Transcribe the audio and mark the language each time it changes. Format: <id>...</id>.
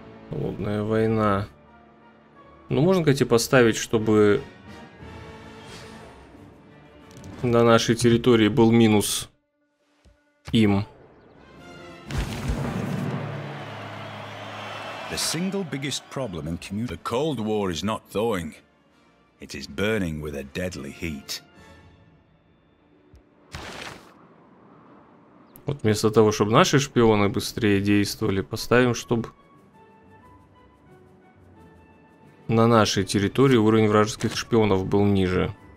<ru>Холодная война. Ну, можно, кстати, поставить, чтобы на нашей территории был минус им.</ru> <en>The single biggest problem in commun- The Cold War is not thawing. It is burning with a deadly heat.</en> <ru>Вот вместо того, чтобы наши шпионы быстрее действовали, поставим, чтобы на нашей территории уровень вражеских шпионов был ниже.</ru>